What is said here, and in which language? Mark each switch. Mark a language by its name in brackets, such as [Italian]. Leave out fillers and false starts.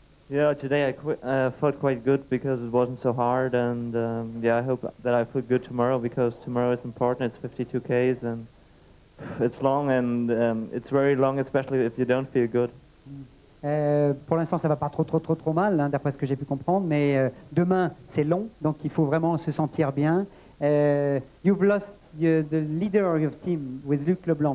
[English] Yeah, today I felt quite good because it wasn't so hard, and I hope that I feel good tomorrow because tomorrow is important. It's 52Ks and it's long, and it's very long, especially if you don't feel good. [French] Pour l'instant, ça va pas trop mal, hein, d'après ce que j'ai pu comprendre. Mais demain, c'est long, donc il faut vraiment se sentir bien. [English] You've lost the leader of your team with Luc Leblanc.